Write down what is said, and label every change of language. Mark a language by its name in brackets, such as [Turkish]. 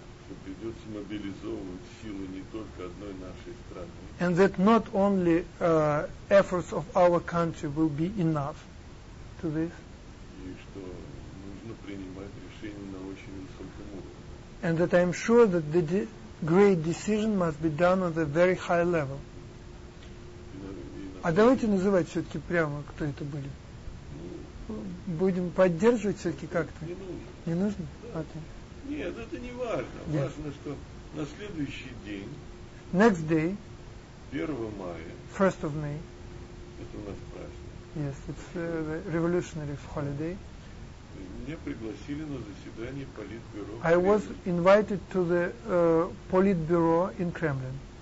[Russian] Что придется мобилизовывать силы не только одной нашей страны. [English] And that not only efforts of our country will be enough to this. [Russian] И что нужно принимать решения на очень высоком уровне. [English] And that I'm sure that the great decision must be done on a very high level. [Russian] А давайте называть все-таки прямо, кто это были. Ну, будем поддерживать все-таки как-то. Не нужно. Не нужно? Да. Нет, это не важно. [English] Yes. [Russian] Важно, что на следующий день, [English] next day, [Russian] 1 мая, [English] 1st of May, [Russian] это у нас праздник. [English] Yes, it's a revolutionary holiday. [Russian] Меня пригласили на заседание Политбюро. [English] I was invited to the Politburo in Kremlin.